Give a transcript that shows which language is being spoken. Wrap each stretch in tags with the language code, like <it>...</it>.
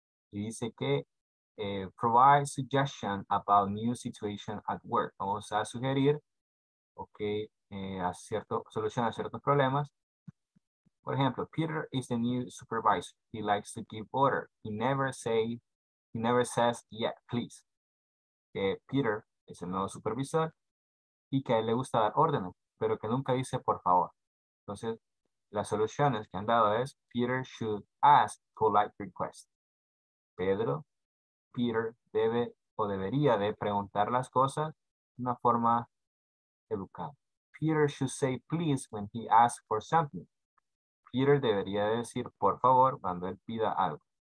<es>Y dice que</es> <en>provide suggestion about new situation at work.</en> <es>Vamos a sugerir, ok, solución a ciertos problemas. Por ejemplo,</es> <en>Peter is the new supervisor. He likes to give order. He never says, yeah, please.</en> <es>Okay, Peter es el nuevo supervisor y que a él le gusta dar órdenes, pero que nunca dice por favor. Entonces, las soluciones que han dado es</es> <en>Peter should ask polite requests.</en> <es>Peter debe o debería de preguntar las cosas de una forma educada.</es> <en>Peter should say please when he asks for something.</en> <es>Peter debería decir por favor cuando él pida algo.</es>